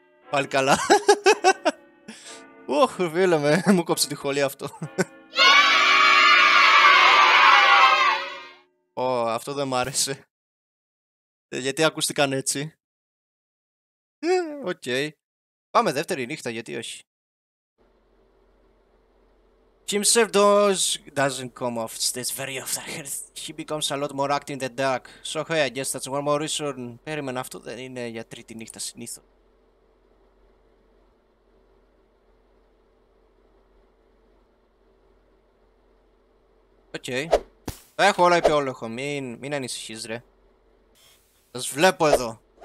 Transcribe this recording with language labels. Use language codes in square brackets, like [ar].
[el] Πάλι καλά. Ωχ, φίλε με, μου κόψε τη χολή αυτό. Αυτό δεν μ' άρεσε. Γιατί ακούστηκαν έτσι. Οκ. Πάμε δεύτερη νύχτα, γιατί όχι. [en] Himself doesn't come off stage very often. He becomes a lot more active in the dark. So hey, I guess that's one more reason. [el] Περίμενα, αυτό δεν είναι για τρίτη νύχτα συνήθως. Οκ. Έχω όλα υπό έλεγχο, μην ανησυχείς ρε. Σας βλέπω εδώ.